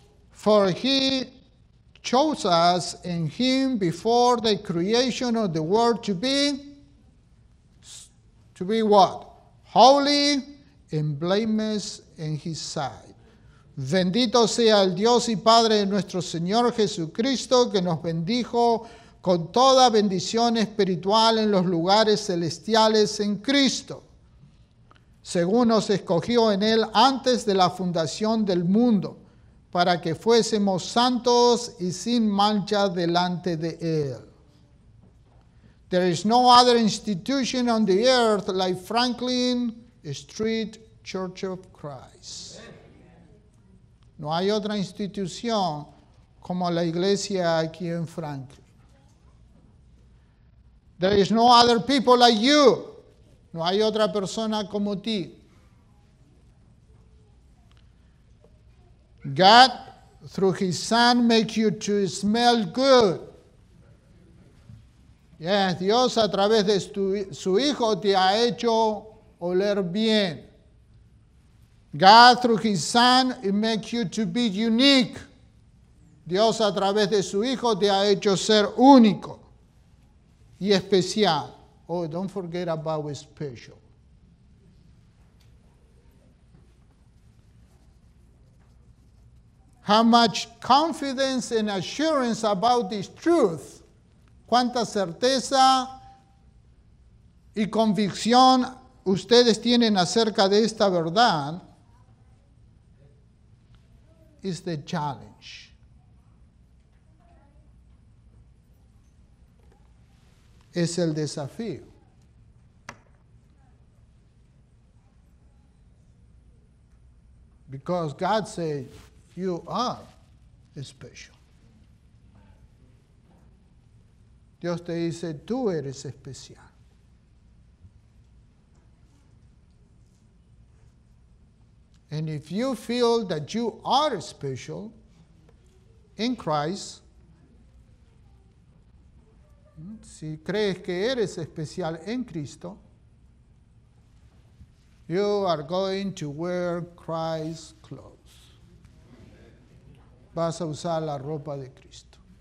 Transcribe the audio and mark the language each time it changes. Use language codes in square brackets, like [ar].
[en] For he chose us in him before the creation of the world to be what? Holy and blameless in his sight. [es] Bendito sea el Dios y Padre de nuestro Señor Jesucristo, que nos bendijo con toda bendición espiritual en los lugares celestiales en Cristo, según nos escogió en él antes de la fundación del mundo, para que fuésemos santos y sin mancha delante de Él. [en] There is no other institution on the earth like Franklin Street Church of Christ. [es] No hay otra institución como la iglesia aquí en Franklin. [en] There is no other people like you. [es] No hay otra persona como ti. [en] God, through His Son, makes you to smell good. [es] Yes, Dios a través de su Hijo te ha hecho oler bien. [en] God, through His Son, makes you to be unique. [es] Dios a través de su Hijo te ha hecho ser único y especial. [en] Oh, don't forget about special. How much confidence and assurance about this truth? [es] ¿Cuánta certeza y convicción ustedes tienen acerca de esta verdad? [en] Is the challenge. [es] Es el desafío. [en] Because God said, you are special. [es] Dios te dice, tú eres especial. [en] And if you feel that you are special in Christ, [es] si crees que eres especial en Cristo, [en] you are going to wear Christ's clothes. [es] Vas a usar la ropa de Cristo.